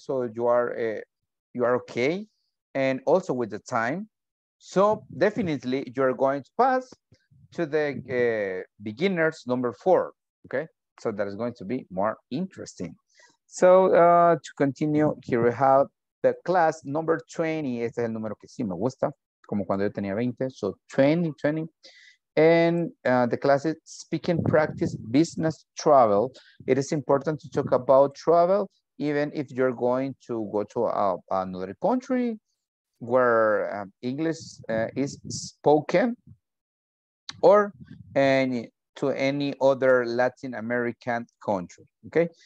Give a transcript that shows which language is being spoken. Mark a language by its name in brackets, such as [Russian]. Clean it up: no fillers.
[English] So you are okay, and also with the time. So definitely you are going to pass. To the beginners number 4, okay? So that is going to be more interesting. So to continue, here we have the class number 20. [Spanish] Este es el número que sí me gusta, como cuando yo tenía 20, [English] so 20. And the class is speaking practice business travel. It is important to talk about travel, even if you're going to go to another country where English is spoken, or to any other Latin American country, okay?